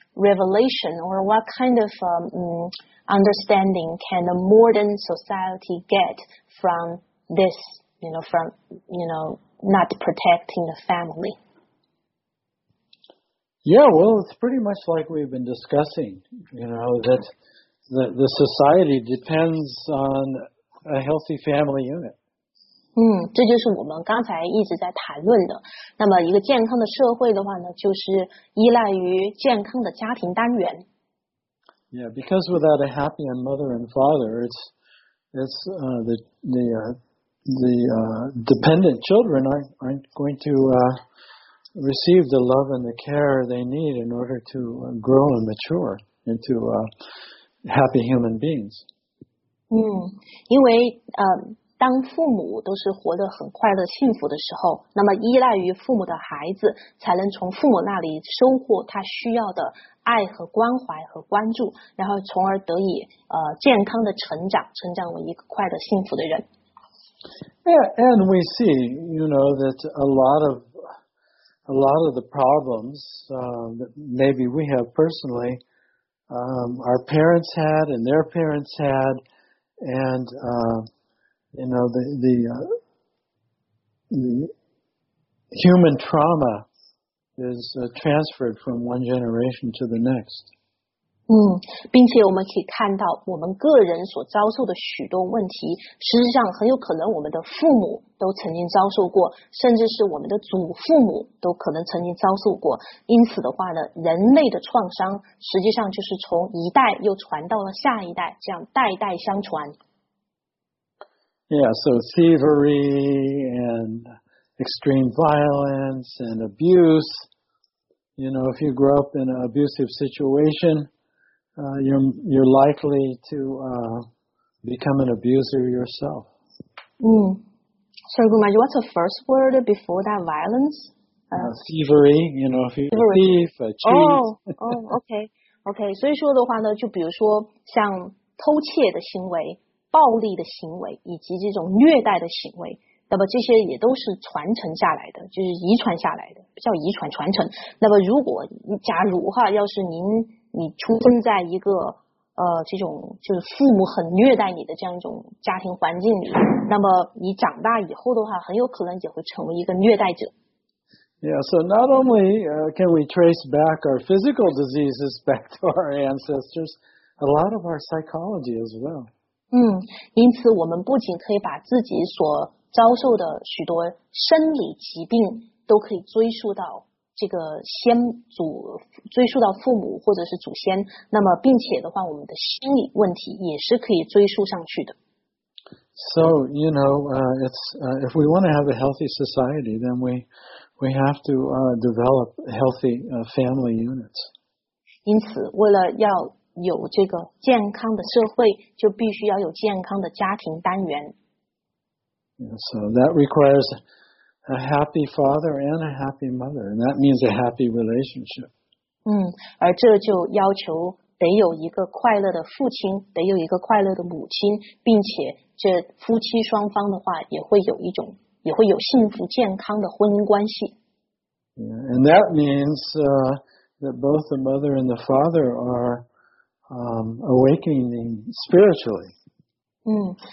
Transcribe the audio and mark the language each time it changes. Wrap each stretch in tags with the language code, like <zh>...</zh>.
<en>revelation or what kind of understanding can a modern society get from this, you know, from, you know, not protecting the family? Yeah, well, it's pretty much like we've been discussing, you know, that the society depends on a healthy family unit.</en> <zh>这就是我们刚才一直在谈论的。那么一个健康的社会的话呢就是依赖于健康的家庭单元。</zh> <en>Yeah, because without a happy mother and father, the dependent children aren't going to receive the love and the care they need in order to grow and mature into happy human beings.</en> <zh>因为当父母都是活得很快乐幸福的时候那么依赖于父母的孩子才能从父母那里收获他需要的爱和关怀和关注然后从而得以健康的成长为一个快乐幸福的人</zh> <en>yeah, And we see, you know, that a lot of the problems that maybe we have personally our parents had and their parents had and you know, the human trauma is transferred from one generation to the next.</en> <zh>并且我们可以看到我们个人所遭受的许多问题，实际上很有可能我们的父母都曾经遭受过，甚至是我们的祖父母都可能曾经遭受过。因此的话呢，人类的创伤实际上就是从一代又传到了下一代，这样代代相传。</zh> <en>Yeah, so thievery and extreme violence and abuse, you know, if you grow up in an abusive situation, you're likely to become an abuser yourself. So, Gumaji, what's the first word before that, violence? Thievery, you know, if you're a thief, a cheat. Okay.</en> <zh>所以说的话呢，就比如说像偷窃的行为、暴力的行为以及这种虐待的行为，那么这些也都是传承下来的，就是遗传下来的，叫遗传传承。那么如果假如哈，要是你出生在一个这种就是父母很虐待你的这样一种家庭环境里，那么你长大以后的话，很有可能也会成为一个虐待者。</zh> <en>Yeah, so not only can we trace back our physical diseases back to our ancestors, a lot of our psychology as well.</en> <zh>因此我们不仅可以把自己所遭受的许多生理疾病都可以追溯到这个先祖，追溯到父母或者是祖先，那么并且的话，我们的心理问题也是可以追溯上去的。</zh> <en>So, you know, if we want to have a healthy society, then we have to develop healthy family units.</en> <zh>因此，为了要有这个健康的社会，就必须要有健康的家庭单元。</zh> <en>So that requires a happy father and a happy mother, and that means a happy relationship.</en> <zh>而这就要求得有一个快乐的父亲，得有一个快乐的母亲，并且这夫妻双方的话也会有一种，也会有幸福健康的婚姻关系。</zh> <en>Yeah, and that means that both the mother and the father are awakening spiritually.</en>